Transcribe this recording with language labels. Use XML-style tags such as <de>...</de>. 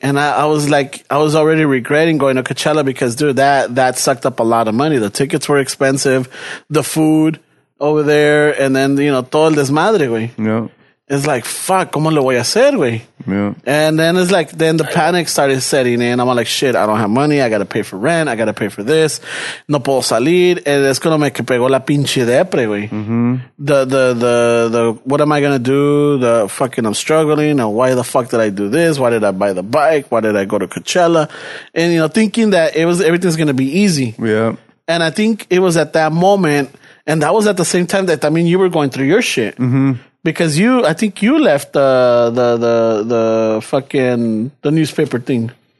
<en>And I was like, I was already regretting going to Coachella because, dude, that sucked up a lot of money. The tickets were expensive, the food over there, and then, you know,</en> <es>todo el desmadre, güey.</es> <en>Yeah. It's like, fuck,</en> <es>¿cómo lo voy a hacer, güey?</es> <en>Yeah. And then it's like, then the panic started setting in. I'm like, shit, I don't have money. I got to pay for rent. I got to pay for this.</en> <es>No puedo salir. Es cuando me pegó la pinche depre, güey.</es> <en>The what am I going to do? The fucking, I'm struggling. And why the fuck did I do this? Why did I buy the bike? Why did I go to Coachella? And, you know, thinking that everything's going to be easy. Yeah. And I think it was at that moment. And that was at the same time that, I mean, you were going through your shit. Because you, I think you left the fucking the newspaper thing.</en>